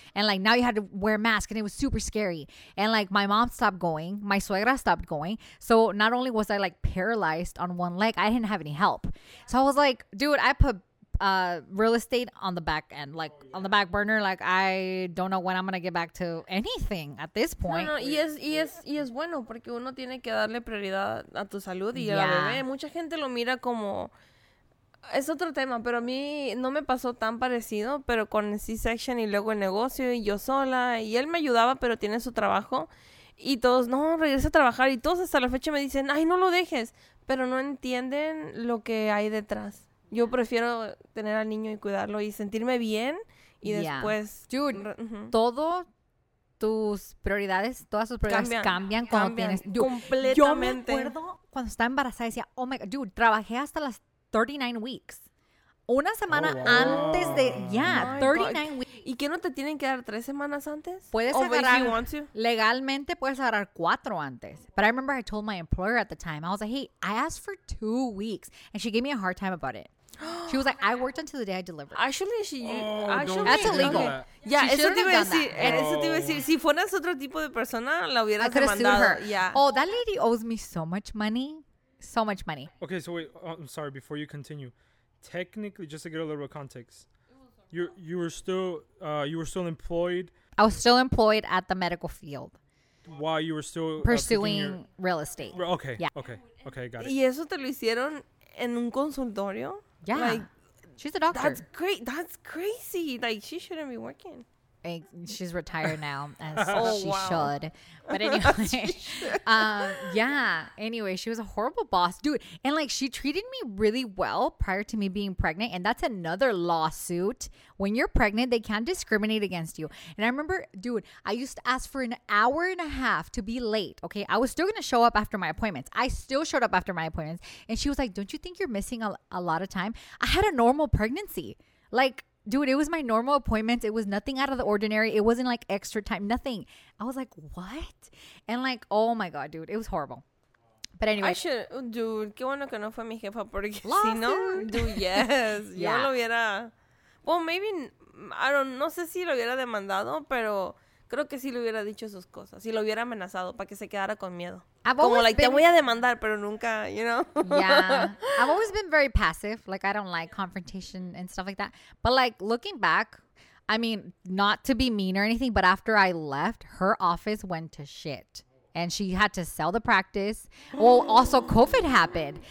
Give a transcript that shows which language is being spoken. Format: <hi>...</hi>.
<en>And like, now you had to wear a mask and it was super scary. And like, my mom stopped going. My suegra stopped going. So not only was I like paralyzed on one leg, I didn't have any help. So I was like, dude, I put real estate on the back end, like, oh, yeah, on the back burner. Like, I don't know when I'm gonna get back to anything at this point.</en> <es>No, y es bueno porque uno tiene que darle prioridad a tu salud y a la bebé. Mucha gente lo mira como, es otro tema, pero a mí no me pasó tan parecido, pero con C-section y luego el negocio y yo sola, y él me ayudaba, pero tiene su trabajo, y todos, no, regresa a trabajar, y todos hasta la fecha me dicen, ay, no lo dejes, pero no entienden lo que hay detrás. Yo prefiero tener al niño y cuidarlo y sentirme bien y después... Dude, todo tus prioridades, todas tus prioridades cambian cuando tienes... Completamente. Yo me acuerdo cuando estaba embarazada, decía,</es> <en>oh my God, dude,</en> <es>trabajé hasta las 39 weeks. Una semana antes de...</es> <en>Yeah, my 39 God. Weeks.</en> <es>¿Y qué no te tienen que dar 3 semanas antes? Puedes agarrar... Legalmente puedes agarrar 4 antes.</es> <en>But I remember I told my employer at the time. I was like, hey, I asked for 2 weeks. And she gave me a hard time about it. She was like, I worked until the day I delivered. Actually, she... That's illegal.</en> <es>Eso te iba a decir. Si fueras otro tipo de persona, la hubieras demandado.</es> <en>I could have sued her. Yeah. Oh, that lady owes me so much money. So much money. Okay, so wait. I'm sorry. Before you continue. Technically, just to get a little bit of context, you were still employed. I was still employed at the medical field while you were still pursuing real estate. Okay, yeah. Okay, got it.</en> <es>Y eso te lo hicieron en un consultorio.</es> <en>Yeah, like, she's a doctor. That's great. That's crazy. Like, she shouldn't be working. She's retired now, as should. But anyway, anyway, she was a horrible boss, dude. And like, she treated me really well prior to me being pregnant. And that's another lawsuit. When you're pregnant, they can't discriminate against you. And I remember, dude, I used to ask for an hour and a half to be late. Okay, I was still gonna show up after my appointments. I still showed up after my appointments. And she was like, don't you think you're missing a lot of time? I had a normal pregnancy. Like, dude, it was my normal appointments. It was nothing out of the ordinary. It wasn't like extra time, nothing. I was like, what? And like, oh my God, dude, it was horrible. But anyway.</en> <es>Qué bueno que no fue mi jefa porque si no,</es> <en>dude, yes. Yeah.</en> <es>Yo lo hubiera,</es> <en>well, maybe,</en> <es>no sé si lo hubiera demandado, pero creo que sí le hubiera dicho sus cosas. Si lo hubiera amenazado para que se quedara con miedo. Te voy a demandar, pero nunca,</es> <en>you know? Yeah. I've always been very passive. Like, I don't like confrontation and stuff like that. But, like, looking back, I mean, not to be mean or anything, but after I left, her office went to shit. And she had to sell the practice. Well, also, COVID happened.</en>